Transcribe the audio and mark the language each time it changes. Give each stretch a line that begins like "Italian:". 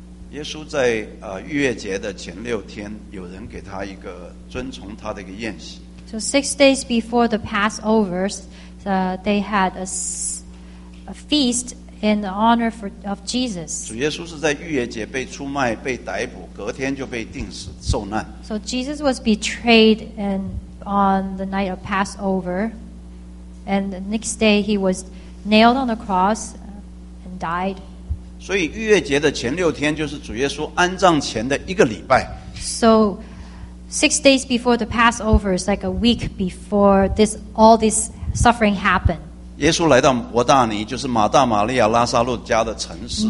Chinese: 耶稣在逾越节的前六天，有人给他一个遵从他的一个宴席。
English: So 6 days before the Passover, they had a feast. In the honor of Jesus.
Chinese: 主耶稣是在逾越节被出卖、被逮捕，隔天就被钉死受难。
English: So Jesus was betrayed and on the night of Passover, and the next day he was nailed on the cross and died.
Chinese: 所以逾越节的前六天就是主耶稣安葬前的一个礼拜。
English: So 6 days before the Passover is like a week before this all this suffering happened.
Chinese: 耶稣来到伯大尼，就是马大、玛利亚、拉撒路家的城市。